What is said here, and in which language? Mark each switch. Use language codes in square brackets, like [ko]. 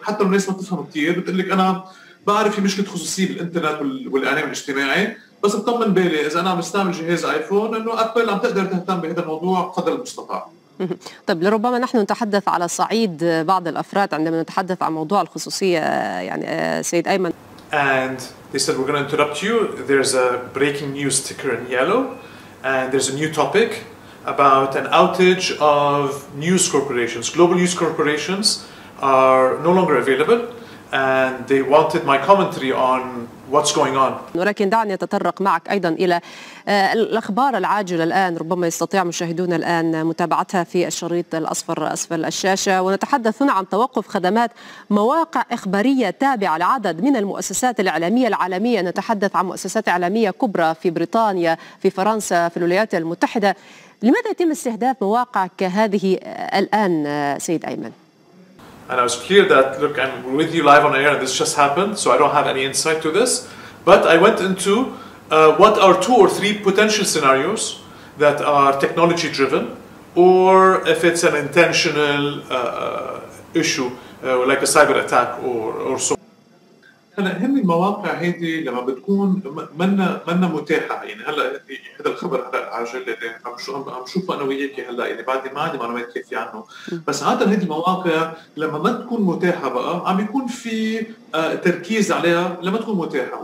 [ar] حتى الناس ما تفهم كتير، بتقولك أنا بعرف في مشكلة خصوصية بالإنترنت والإعلام الاجتماعي، بس بطمن بالي إذا أنا مستعمل جهاز آيفون إنه أبل عم تقدر تهتم بهذا الموضوع قدر المستطاع. طيب لربما نحن نتحدث على صعيد بعض الأفراد عندما نتحدث عن موضوع الخصوصية، يعني سيد أيمن. [en] And they said we're going to interrupt you. There's a breaking news ticker in yellow, and there's a new topic about an outage of news corporations. Global news corporations are no longer available, and they wanted my commentary on what's going on. [ar] ولكن دعني أتطرق معك أيضا إلى الأخبار العاجلة الآن، ربما يستطيع مشاهدون الآن متابعتها في الشريط الأصفر أسفل الشاشة. ونتحدث هنا عن توقف خدمات مواقع إخبارية تابعة لعدد من المؤسسات الإعلامية العالمية. نتحدث عن مؤسسات إعلامية كبرى في بريطانيا، في فرنسا، في الولايات المتحدة. لماذا يتم استهداف مواقع كهذه الآن سيد أيمن؟ [en] And I was clear that, look, I'm with you live on air and this just happened, so I don't have any insight to this. But I went into what are 2 or 3 potential scenarios that are technology driven, or if it's an intentional issue, like a cyber attack or so. [ar] هلا هم المواقع هيدي لما بتكون منا متاحه، يعني هلا هذا الخبر هلا عاجل عم شوفه انا وياك هلا، يعني بعدي ما عندي معلومات كافيه عنه، بس عاده هيدي المواقع لما ما تكون متاحه بقى عم يكون في تركيز عليها لما تكون متاحه.